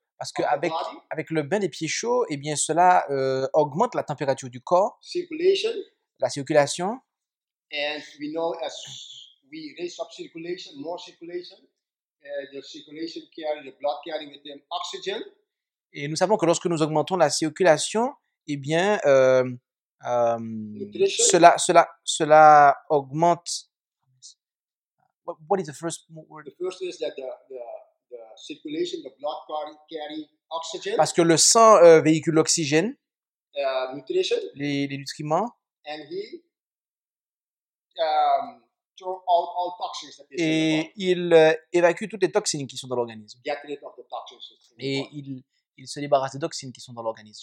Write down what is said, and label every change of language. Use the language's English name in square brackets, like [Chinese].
[French] Parce que avec le bain des pieds chauds, et bien cela augmente la température du corps, circulation, la circulation. [English] And we know as we raise up circulation, more circulation, the circulation carry the blood carry with them oxygen. [French] Et nous savons que lorsque nous augmentons la circulation, et bien cela augmente. [English] What is the first word? The first is that the circulation, the blood carry oxygen. [French] Parce que le sang véhicule l'oxygène, [English] nutrition, [French] les nutriments, [English] and he throw out all toxins that is. [French] Et il évacue toutes les toxines qui sont dans l'organisme. [English] Get rid of the toxins. [French] Et il se débarrasse des toxines qui sont dans l'organisme.